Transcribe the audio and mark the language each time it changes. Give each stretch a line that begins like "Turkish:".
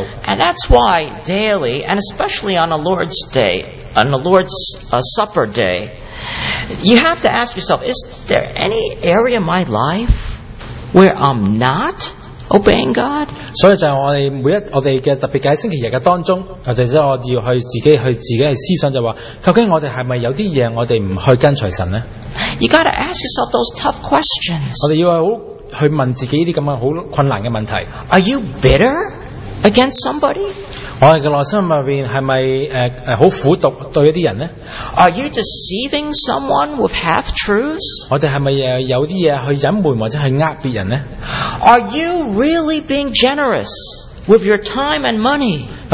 English: And that's why daily, and especially on the Lord's day, on the Lord's supper day, you have to ask yourself, is there any area in my life where I'm not obeying God?
Chinese: 所以就是我们每一，我们的特别解释星期日的当中，我们要去自己去思想，就是说，究竟我们是不是有些事情我们不去跟随神呢？
English: You got to ask yourself those tough questions.
Chinese: 我们要去问自己这些很困难的问题。
English: Are you bitter against somebody?
Chinese: 我们的内心里面是不是很苦毒对一些人呢？
English: Are you deceiving someone with half-truths?
Chinese: 我们是不是有些事情去隐瞒或者去骗别人呢？
English: Are you really being generous with your time and money?